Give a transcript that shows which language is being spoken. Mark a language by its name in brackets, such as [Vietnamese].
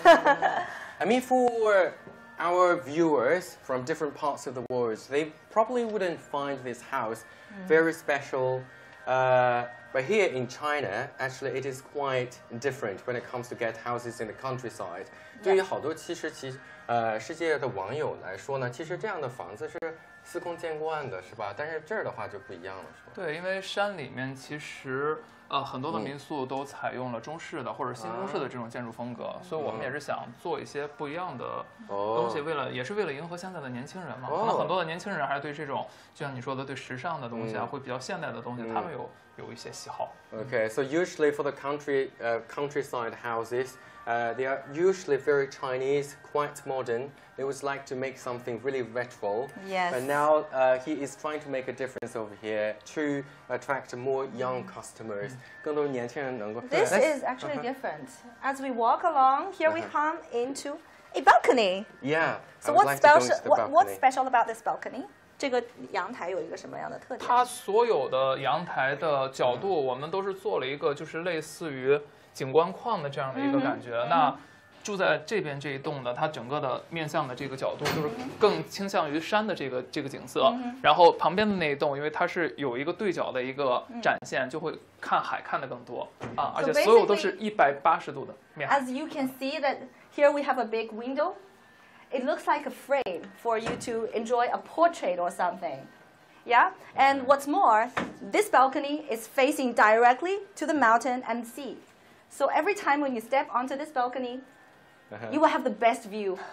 [English] I mean, our viewers from different parts of the world, they probably wouldn't find this house very special. But here in China, actually, it is quite different when it comes to get houses in the countryside. Yes. [Chinese] 对于好多世界的网友来说呢，其实这样的房子是司空见惯的，是吧？但是这儿的话就不一样了，是吧？对，因为山里面其实很多的民宿都采用了中式的或者新中式的这种建筑风格，所以我们也是想做一些不一样的东西，也是为了迎合现在的年轻人嘛。可能很多的年轻人还是对这种，就像你说的，对时尚的东西啊，会比较现代的东西，他们有一些喜好。 [English] Okay, so usually for the countryside houses, they are usually very Chinese, quite modern. They would like to make something really retro. Yes. But now he is trying to make a difference over here to attract more young customers. This is actually different. As we walk along, here we come into a balcony. Yeah. So what's special about this balcony? [Chinese] 这个阳台有一个什么样的特点？它所有的阳台的角度，我们都是做了一个，就是类似于景观框的这样的一个感觉。那住在这边这一栋的，它整个的面向的这个角度就是更倾向于山的这个景色。然后旁边的那一栋，因为它是有一个对角的一个展现，就会看海看得更多啊。而且所有都是180度的面。 [English] As you can see that here we have a big window. It looks like a frame for you to enjoy a portrait or something. Yeah? And what's more, this balcony is facing directly to the mountain and sea. So every time when you step onto this balcony, you will have the best view.